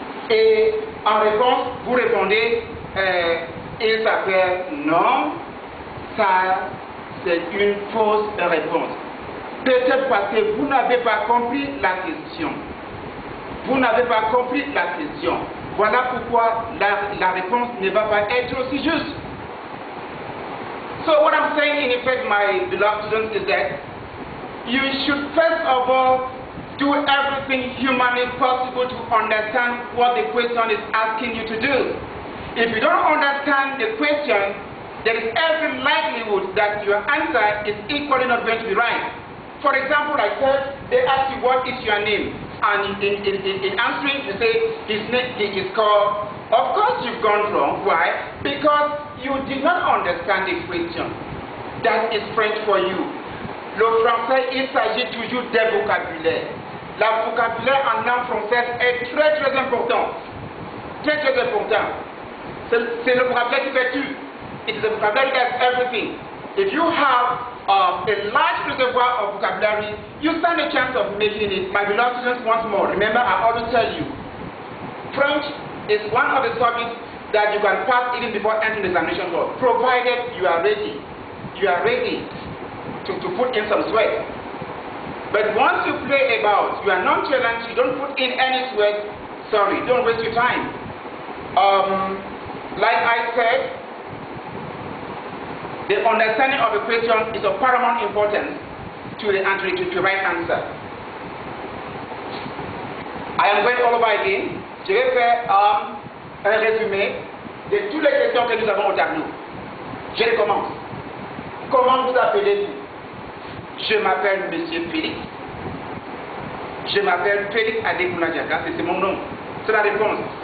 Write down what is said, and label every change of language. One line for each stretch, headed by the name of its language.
French: Et en réponse, vous répondez il s'appelle non, ça c'est une fausse réponse. Peut-être parce que vous n'avez pas compris la question. Vous n'avez pas compris la question. Voilà pourquoi la réponse ne va pas être aussi juste.
English: So what I'm saying in effect, my beloved students, is that you should first of all do everything humanly possible to understand what the question is asking you to do. If you don't understand the question, there is every likelihood that your answer is equally not going to be right. For example, like that, they ask you, what is your name? And in answering, you say, his name is called. Of course, you've gone wrong. Why? Because you did not understand the question. That is French for you.
French: Le français, il s'agit toujours des vocabulaires. Le vocabulaire en langue française est très, très important. Très, très important. C'est C'est le vocabulaire qui fait tout.
English: It is the vocabulary that does everything. If you have a large reservoir of vocabulary, you stand a chance of making it. My beloved students, once more, remember I always tell you, French is one of the subjects that you can pass even before entering the examination hall, provided you are ready. You are ready to put in some sweat. But once you play about, you are nonchalant, you don't put in any sweat, sorry, don't waste your time. Like I said, the understanding of a question is of paramount importance to the answer, to the right answer. I am going all over again.
French: Je vais faire un résumé de toutes les questions que nous avons au tableau. Je recommence. Comment vous appelez-vous? Je m'appelle Monsieur Félix. Je m'appelle Félix Adekunajaka, c'est mon nom. C'est la réponse.